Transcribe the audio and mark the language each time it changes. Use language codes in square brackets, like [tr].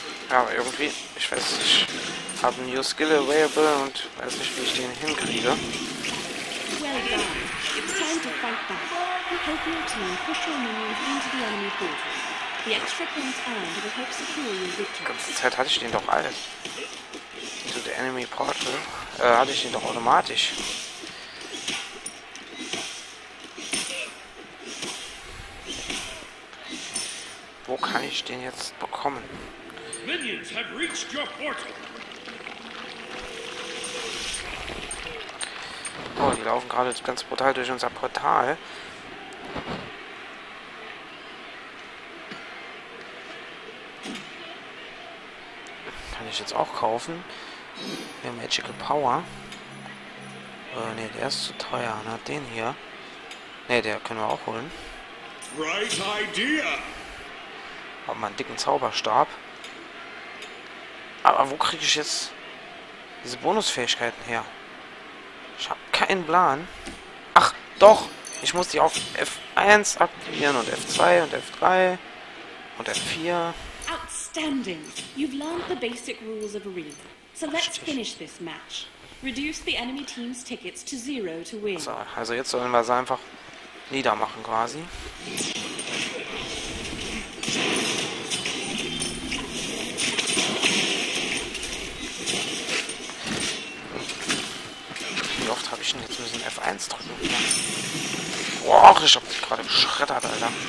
[de] Ja, aber irgendwie, ich weiß nicht, ich habe ein New Skill Available und weiß nicht, wie ich den hinkriege. [en] Well done. It's time to fight back. Help your team push your minions into the enemy field. [de] Die ganze Zeit hatte ich den doch alles. [en] Into the enemy portal. [de] Hatte ich den doch automatisch. Wo kann ich den jetzt bekommen? [en] Minions have reached your portal. [de] Oh, die laufen gerade ganz brutal durch unser Portal. Jetzt auch kaufen. Der Magical Power. Ne, der ist zu teuer. Ne, den hier. Ne, der können wir auch holen. [en] Right idea. [de] Haben wir einen dicken Zauberstab. Aber wo kriege ich jetzt diese Bonusfähigkeiten her? Ich habe keinen Plan. Ach, doch. Ich muss die auf F1 aktivieren und F2 und F3 und F4. [en] Outstanding! You've learned the basic rules of arena. So let's finish this match. Reduce the enemy team's tickets to 0 to win. [de] So, also jetzt sollen wir es einfach niedermachen quasi. Wie oft habe ich denn jetzt müssen F1 drücken? Boah, ich hab mich gerade geschreddert, Alter.